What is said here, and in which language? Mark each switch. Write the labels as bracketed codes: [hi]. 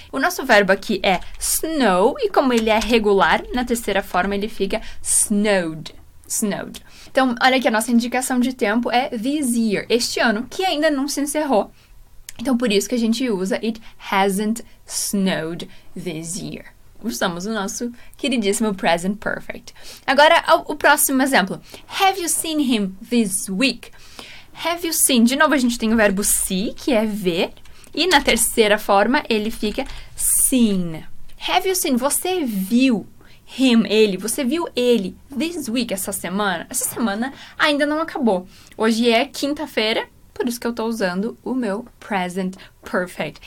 [pt] O nosso verbo aqui é snow, e como ele é regular, na terceira forma ele fica snowed. Snowed. Então, olha aqui, a nossa indicação de tempo é this year, este ano, que ainda não se encerrou. Então, por isso que a gente usa [en] it hasn't snowed this year. [pt] Usamos o nosso queridíssimo present perfect. Agora, o próximo exemplo. [en] Have you seen him this week? Have you seen? [pt] De novo, a gente tem o verbo see, que é ver. E na terceira forma, ele fica seen. [en] Have you seen? [pt] Você viu? Him, ele, você viu ele [en] this week, [pt] essa semana? Essa semana ainda não acabou. Hoje é quinta-feira, por isso que eu tô usando o meu present perfect.